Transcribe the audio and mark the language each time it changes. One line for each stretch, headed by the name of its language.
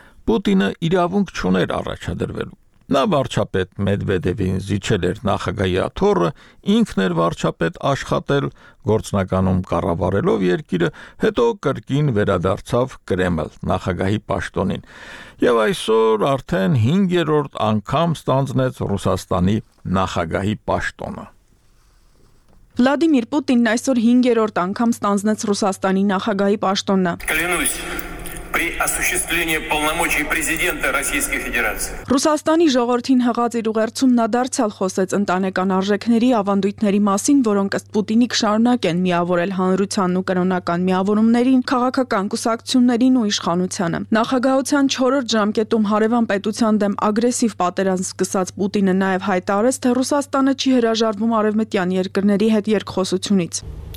Armenian: Պուտինը իրավունք չուներ առաջադրվելու։ Նա վարչապետ Մեդվեդևին զիջել էր նախագահի աթոռը, ինքն էր վարչապետ աշխատել, գործնականում կառավարելով երկիրը, հետո կրկին վերադարձավ Կրեմլ նախագահի պաշտոնին։ Եվ այսօր արդեն 5-րդ անգամ ստանձնեց Ռուսաստանի նախագահի պաշտոնը։ Վլադիմիր Պուտինն այսօր 5-րդ անգամ ստանձնեց Ռուսաստանի նախագահի պաշտոնը։
Russian: При осуществлении полномочий президента Российской Федерации.
Armenian: Ռուսաստանի ժողովրդին հղած իր ուղերձում նա դարձյալ խոսեց ընտանեկան արժեքների ավանդույթների մասին, որոնք ըստ Պուտինի կշարունակեն միավորել հանրության ու կրոնական միավորումներին, քաղաքական կուսակցություններին ու իշխանությանը։ Նախագահության 4-րդ ժամկետում հարևան պետության դեմ ագրեսիվ պատերազմ սկսած Պուտինը նաև հայտարարեց, թե Ռուսաստանը չի հրաժարվում արևմտյան երկրների հետ